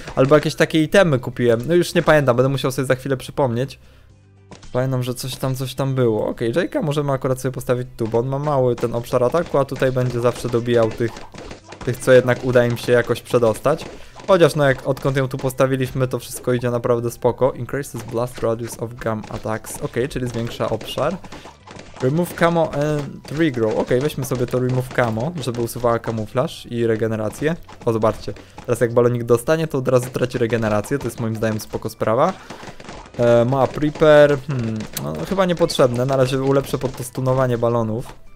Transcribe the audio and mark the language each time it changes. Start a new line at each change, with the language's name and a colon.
Polish: Albo jakieś takie itemy kupiłem. No już nie pamiętam, będę musiał sobie za chwilę przypomnieć. Pamiętam, że coś tam było. Okej, okay, Jake'a możemy akurat sobie postawić tu, bo on ma mały ten obszar ataku, a tutaj będzie zawsze dobijał tych, co jednak uda im się jakoś przedostać. Chociaż no, jak odkąd ją tu postawiliśmy, to wszystko idzie naprawdę spoko.
English: Increases blast radius of gum attacks.
Polish: Okej, okay, czyli zwiększa obszar.
English: Remove camo and regrow.
Polish: Okej, okay, weźmy sobie to remove camo, żeby usuwała kamuflaż i regenerację. O, zobaczcie. Teraz jak balonik dostanie, to od razu traci regenerację. To jest moim zdaniem spoko sprawa. Ma Preeper, no, chyba niepotrzebne, na razie ulepszę pod to stunowanie balonów.